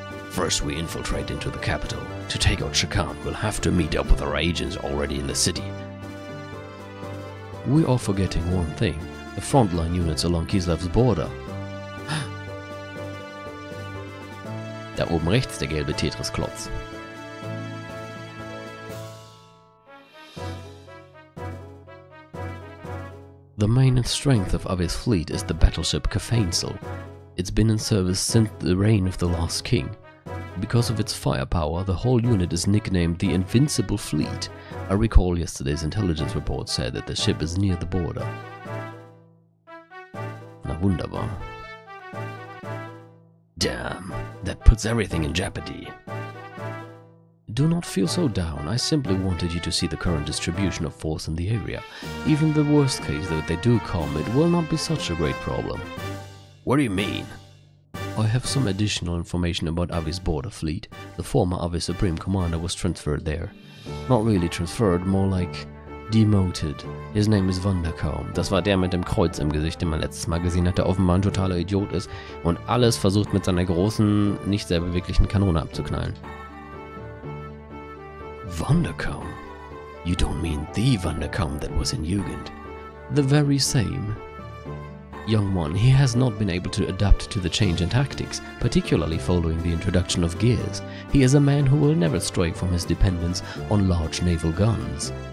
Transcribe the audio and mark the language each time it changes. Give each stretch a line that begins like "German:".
English: First, we infiltrate into the capital. To take out Shao Kahn, we'll have to meet up with our agents already in the city. We are forgetting one thing. The frontline units along Kislev's border.
German: Da oben rechts der gelbe Tetris-Klotz.
English: The main strength of Abe's fleet is the battleship Cafainsel. It's been in service since the reign of the last king. Because of its firepower, the whole unit is nicknamed the Invincible Fleet. I recall yesterday's intelligence report said that the ship is near the border.
German: Na wunderbar.
English: Damn, that puts everything in jeopardy. Do not feel so down. I simply wanted you to see the current distribution of force in the area. Even the worst case, though, if they do come, it will not be such a great problem. What do you mean? I have some additional information about Avi's border fleet. The former Avi Supreme Commander was transferred there. Not really transferred, more like demoted. His name is Wunderkaum.
German: Das war der mit dem Kreuz im Gesicht, den man letztes Mal gesehen hat, der offenbar ein totaler Idiot ist und alles versucht mit seiner großen, nicht sehr beweglichen Kanone abzuknallen.
English: Wunderkaum? You don't mean the Wunderkaum that was in Jugend? The very same. Young one, he has not been able to adapt to the change in tactics, particularly following the introduction of gears. He is a man who will never stray from his dependence on large naval guns.